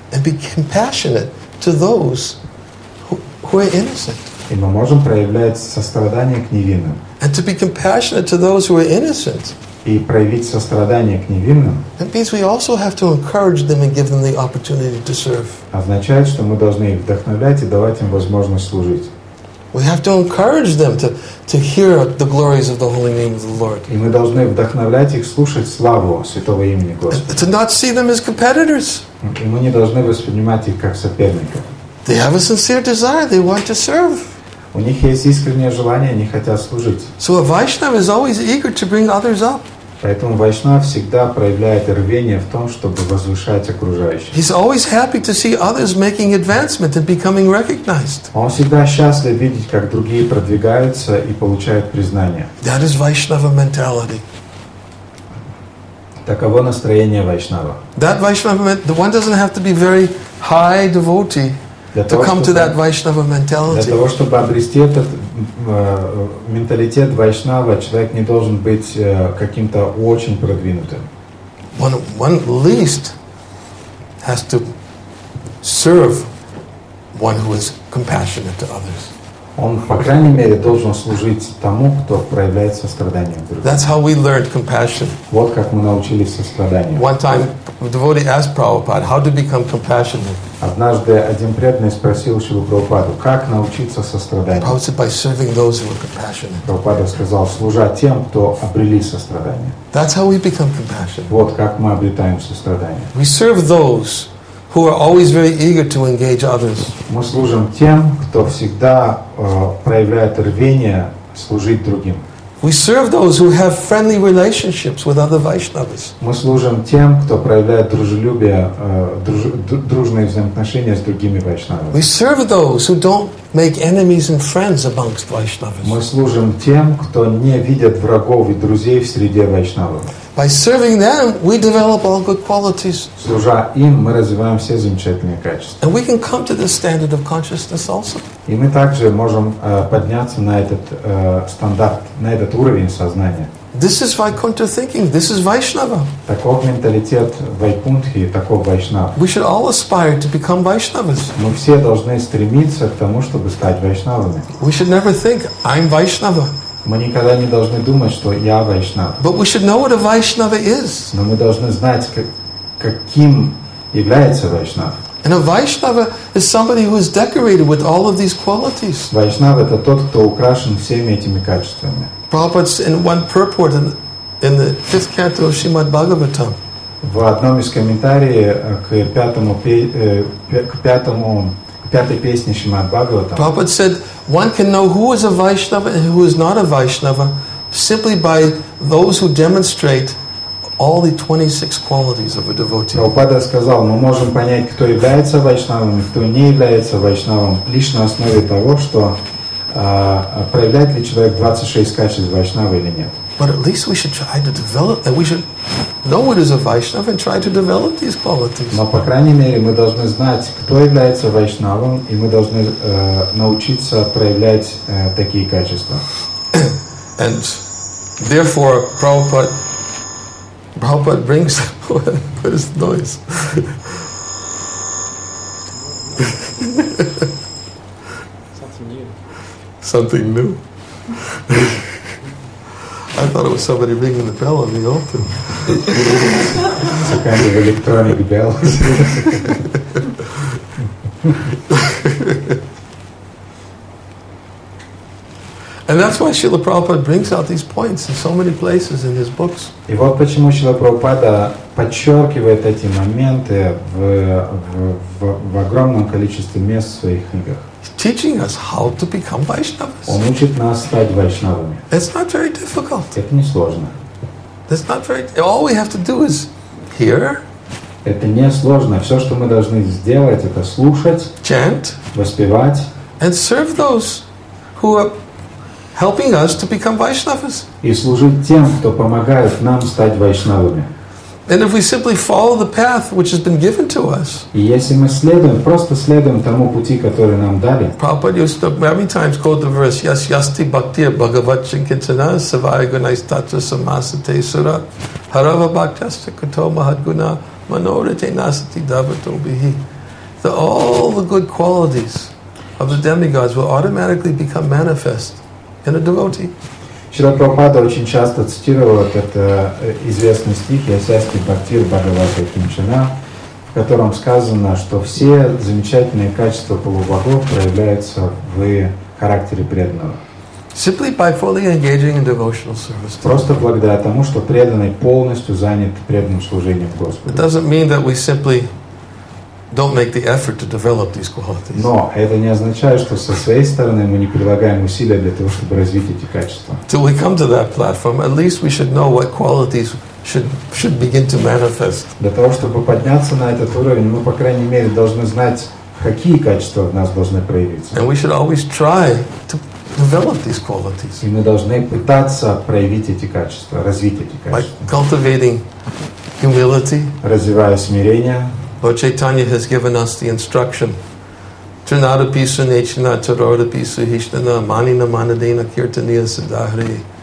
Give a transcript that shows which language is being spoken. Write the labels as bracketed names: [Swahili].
[English] And be compassionate to those who are innocent. [Russian] И мы можем проявлять сострадание к невинным. [English] And to be compassionate to those who are innocent. [Russian] И проявить сострадание к невинным. [English] That means we also have to encourage them and give them the opportunity to serve. [Russian] Означает, что мы должны их вдохновлять и давать им возможность служить. [English] We have to encourage them to hear the glories of the holy name of the Lord. [Russian] И мы должны вдохновлять их слушать славу святого имени Господа. [English] To not see them as competitors. [Russian] И мы не должны воспринимать их как соперников. [English] They have a sincere desire. They want to serve. [Russian] У них есть искреннее желание, они хотят служить. [English] So a Vaishnava is always eager to bring others up. [Russian] Поэтому Вайшнав всегда проявляет рвение в том, чтобы возвышать окружающих. [English] He's always happy to see others making advancement and becoming recognized. [Russian] Он всегда счастлив видеть, как другие продвигаются и получают признание. [English] That is Vaishnava mentality. [Russian] Таково настроение Вайшнава. [English] That Vaishnava, the one doesn't have to be very high devotee. [Russian] Для того, [English] to come [Russian] чтобы, [English] to that Vaishnava mentality. [Russian] Для того, чтобы обрести этот менталитет Вайшнава, человек не должен быть каким-то очень продвинутым. [English] One at least has to serve one who is compassionate to others. [Russian] Он, по крайней мере, должен служить тому, кто проявляет сострадание к другим. [English] That's how we learned compassion. [Russian] Вот как мы научились состраданию. [English] One time a devotee asked Prabhupada how to become compassionate. [Russian] Однажды один преданный спросил Шрилу Прабхупаду, как научиться состраданию. [English] Prabhupada said, by serving those who are compassionate. [Russian] Прабхупада сказал, служа тем, кто обрели сострадание. [English] That's how we become compassionate. [Russian] Вот как мы обретаем сострадание. [English] We serve those who are always very eager to engage others. [Russian] Мы служим тем, кто всегда проявляет рвение служить другим. [English] We serve those who have friendly relationships with other Vaishnavas. [Russian] Мы служим тем, кто проявляет дружелюбие, дружные взаимоотношения с другими Вайшнавами. [English] We serve those who don't make enemies and friends amongst Vaishnavas. [Russian] Мы служим тем, кто не видит врагов и друзей в среде Вайшнавов. [English] By serving them, we develop all good qualities. [Russian] Служа им, мы развиваем все замечательные качества. [English] And we can come to this standard of consciousness also. [Russian] И мы также можем подняться на этот стандарт, на этот уровень сознания. [English] This is Vaikuntha thinking. This is Vaishnava. [Russian] Таков менталитет Вайкунтхи, таков Вайшнава. [English] We should all aspire to become Vaishnavas. [Russian] Мы все должны стремиться к тому, чтобы стать Вайшнавами. [English] We should never think, I'm Vaishnava. [Russian] Мы никогда не должны думать, что я Вайшнава. [English] But we should know what a Vaishnava is. [Russian] Но мы должны знать, каким является Вайшнава. [English] And a Vaishnava is somebody who is decorated with all of these qualities. [Russian] Вайшнава — это тот, кто украшен всеми этими качествами. [English] Prabhupada's in one purport in the fifth canto of Srimad Bhagavatam. [Russian] В одном из комментариев к пятой песне Шримад Бхагаватам. [English] Prabhupada said, one can know who is a Vaishnava and who is not a Vaishnava simply by those who demonstrate all the 26 qualities of a devotee. [Russian] Prabhupada сказал, мы можем понять, кто является Вайшнавом и кто не является Вайшнавом лишь на основе того, что проявляет ли человек 26 качеств Вайшнава или нет. [English] But at least we should try to develop, and we should know what is a Vaishnava and try to develop these qualities. [Russian] Но по крайней мере мы должны знать, кто является вайшнавом, и мы должны научиться проявлять такие качества. [English] And therefore, Prabhupada brings what is the noise. Something new. I thought it was somebody ringing the bell on the altar. It's a kind of electronic bell. And that's why Srila Prabhupada brings out these points in so many places in his books. [Russian] И вот почему Шрила Прабхупада подчеркивает эти моменты в огромном количестве мест в своих книгах. [English] Teaching us how to become Vaishnavas. [Russian] Он учит нас стать вайшнавами. [English] It's not very difficult. [Russian] Это не сложно. [English] It's not very. All we have to do is hear. [Russian] Это не сложно. Все, что мы должны сделать, это слушать, [English] chant, [Russian] воспевать, [English] and serve those who are helping us to become Vaishnavas. [Russian] И служить тем, кто помогает нам стать вайшнавами. [English] And if we simply follow the path which has been given to us, [Russian] и если мы следуем, просто следуем тому пути, который нам дали. [English] Prabhupada used to many times quote the verse, [Sanskrit] "Yas yasti bhaktir bhagavat chinkitana savaya gunaistatra samasate sura harava bhaktasya kato mahadguna manorite nasati davato bihi." [English] That all the good qualities of the demigods will automatically become manifest in a devotee. [Russian] Шрила Прабхупада очень часто цитировал этот известный стих [Sanskrit] «Ясасти Бхактир Бхагавата Кинчана», [Russian] в котором сказано, что все замечательные качества полубогов проявляются в характере преданного. [English] Simply by fully engaging in devotional service. [Russian] Просто благодаря тому, что преданный полностью занят преданным служением Господу. [English] It doesn't mean that we simply don't make the effort to develop these qualities. [Russian] Но это не означает, что со своей стороны мы не прилагаем усилия для того, чтобы развить эти качества. [English] Till we come to that platform, at least we should know what qualities should begin to manifest. [Russian] Для того, чтобы подняться на этот уровень, мы по крайней мере должны знать, какие качества в нас должны проявиться. [English] And we should always try to develop these qualities. [Russian] И мы должны пытаться проявить эти качества, развить эти качества. [English] By cultivating humility. [Russian] Развивая смирение. [English] Lord Chaitanya has given us the instruction. [Sanskrit] Trinada Pisu Nechina Tarada Pisu Hishnana Manina Manadena Kirtaniya Siddhahri.